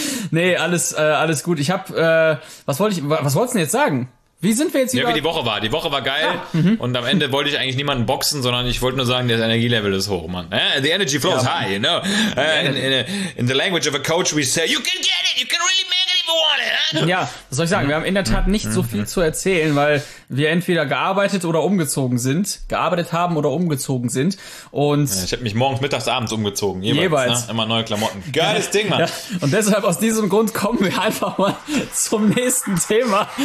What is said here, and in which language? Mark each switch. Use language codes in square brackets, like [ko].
[de] Nee, alles gut. Ich habe, was wolltest du jetzt sagen? Wie sind wir jetzt wieder? Ja, wie die Woche war. Die Woche war geil. Ah, und am Ende wollte ich eigentlich niemanden boxen, sondern ich wollte nur sagen, das Energielevel ist hoch, Mann. [en] The energy flows high, you know. In the language of a coach, we say, you can get it, you can really make it if you want it. [de] Ja, was soll ich sagen? Wir haben in der Tat nicht so viel zu erzählen, weil wir entweder gearbeitet oder umgezogen sind. Gearbeitet haben oder umgezogen sind. Und ja, ich habe mich morgens, mittags, abends umgezogen. Jeweils. Ne? Immer neue Klamotten. Geiles Ding, Mann. Ja. Und deshalb, aus diesem Grund, kommen wir einfach mal zum nächsten Thema.